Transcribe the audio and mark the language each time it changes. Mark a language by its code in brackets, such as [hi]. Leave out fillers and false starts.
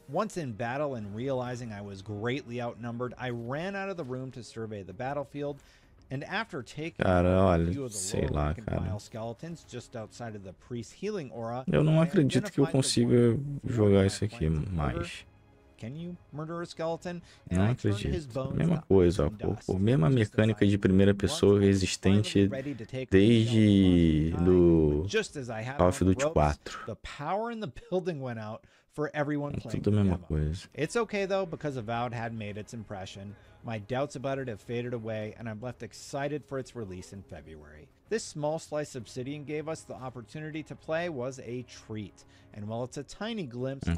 [en] Once in battle and realizing I was greatly outnumbered, I ran out of the room to survey the battlefield. And after taking [pt] cara, olha, sei lá, cara. [en] Skeletons just outside of the priest's healing aura, [pt] eu não acredito que eu consiga jogar isso aqui mais. [en] Can you murder a skeleton? [pt] Não acredito. Mesma coisa, pô. Mesma mecânica de primeira pessoa existente desde do Call of Duty 4. [en] The power in the building went out for everyone playing. [pt] Tudo a mesma coisa. [en] It's okay though because Avowed had made its impression. My doubts about it have faded away, and I'm left excited for its release in February. This small slice Obsidian gave us the opportunity to play was a treat, and while it's a tiny glimpse,